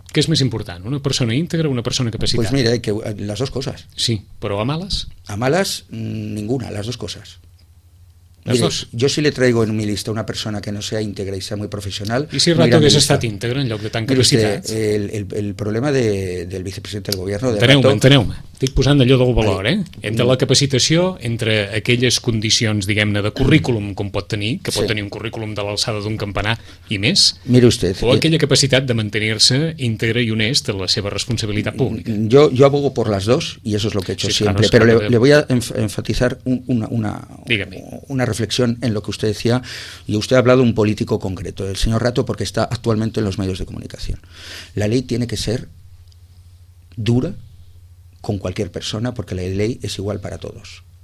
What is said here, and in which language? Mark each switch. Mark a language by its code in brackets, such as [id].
[ca] Què és més important, una persona íntegra o una persona capacitada? [es] Pues mira, que las dos cosas. [ca] Sí, però a males? [es] A males, ninguna, las dos cosas. Las dos. Yo si le traigo en mi lista a una persona que no sea íntegra y sea muy profesional... ¿Y si el rato hubiese estado íntegro [ca] en lloc de tan capacitat? [es] El problema del vicepresidente del gobierno... [ca] Enteneu-me. Estic posant allò del valor, Entre la capacitació, entre aquelles condicions, diguem-ne, de currículum com pot tenir, que pot tenir un currículum de l'alçada d'un campanar i més, [es] mire usted, [ca] o aquella capacitat de mantenir-se íntegre i honest en la seva responsabilitat pública. [es] Yo abogo por las dos, y eso es lo que he hecho siempre, claro, pero le voy a enfatizar una reflexión en lo que usted decía, y usted ha hablado de un político concreto, el señor Rato, porque está actualmente en los medios de comunicación. La ley tiene que ser dura con cualquier persona, porque la ley es igual para todos.